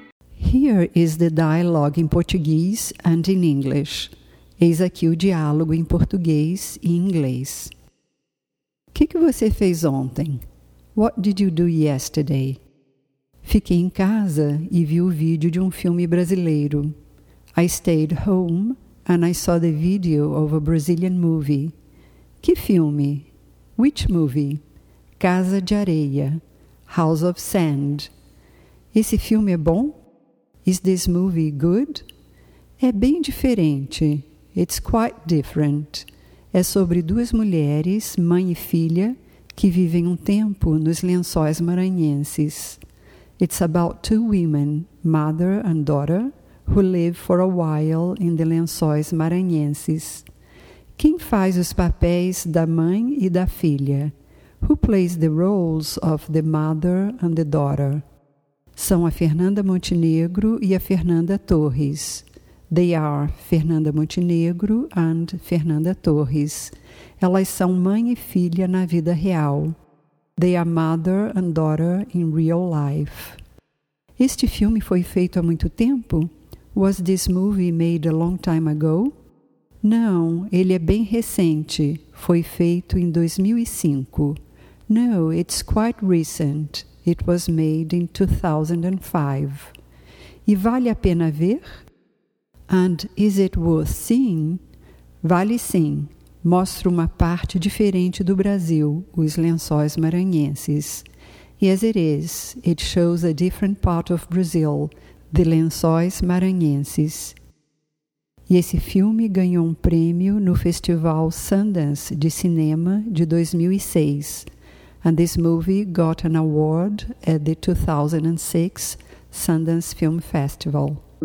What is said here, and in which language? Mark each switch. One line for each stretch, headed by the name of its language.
English: Here is the dialogue in Portuguese and in English.
Portuguese: Eis aqui o diálogo em português e inglês. O que você fez ontem?
English: What did you do yesterday?
Portuguese: Fiquei em casa e vi o vídeo de um filme brasileiro.
English: I stayed home and I saw the video of a Brazilian movie.
Portuguese: Que filme?
English: Which movie?
Portuguese: Casa de Areia.
English: House of Sand.
Portuguese: Esse filme é bom?
English: Is this movie good?
Portuguese: É bem diferente.
English: It's quite different.
Portuguese: É sobre duas mulheres, mãe e filha, que vivem um tempo nos Lençóis Maranhenses.
English: It's about two women, mother and daughter, who live for a while in the Lençóis Maranhenses.
Portuguese: Quem faz os papéis da mãe e da filha?
English: Who plays the roles of the mother and the daughter?
Portuguese: São a Fernanda Montenegro e a Fernanda Torres.
English: They are Fernanda Montenegro and Fernanda Torres.
Portuguese: Elas são mãe e filha na vida real.
English: They are mother and daughter in real life.
Portuguese: Este filme foi feito há muito tempo?
English: Was this movie made a long time ago?
Portuguese: Não, ele é bem recente. Foi feito em 2005.
English: No, it's quite recent. It was made in 2005.
Portuguese: E vale a pena ver?
English: And is it worth seeing?
Portuguese: Vale sim. Mostra uma parte diferente do Brasil, os Lençóis Maranhenses.
English: Yes, it is. It shows a different part of Brazil, the Lençóis Maranhenses.
Portuguese: E esse filme ganhou um prêmio no Festival Sundance de Cinema de 2006.
English: And this movie got an award at the 2006 Sundance Film Festival.